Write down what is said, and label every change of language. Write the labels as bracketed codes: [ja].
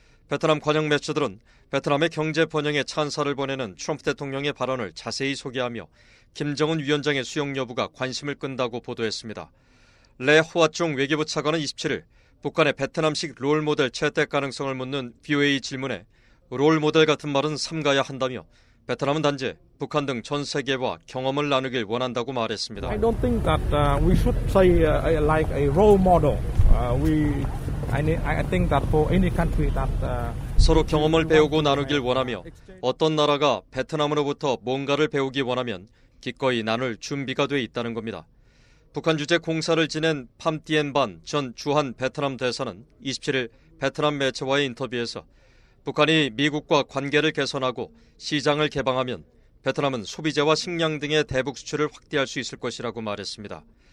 [ko] 베트남 관영 매체들은 베트남의 경제 번영에 찬사를 보내는 트럼프 대통령의 발언을 자세히 소개하며 김정은 위원장의 수용 여부가 관심을 끈다고 보도했습니다. 레 호아총 외교부 차관은 27일 북한의 베트남식 롤모델 채택 가능성을 묻는 BOA 질문에 롤모델 같은 말은 삼가야 한다며 베트남은 단지 북한 등 전 세계와 경험을 나누길 원한다고 말했습니다. [en] I don't think that we should say like a role model. I think that for any country that [ko] 서로 경험을 배우고 나누길 원하며 어떤 나라가 베트남으로부터 뭔가를 배우기 원하면 기꺼이 나눌 준비가 돼 있다는 겁니다. 북한 주재 공사를 지낸 팜 띠엔 반 전 주한 베트남 대사는 27일 베트남 매체와의 인터뷰에서 북한이 미국과 관계를 개선하고 시장을 개방하면 베트남은 소비재와 식량 등의 대북 수출을 확대할 수 있을 것이라고 말했습니다.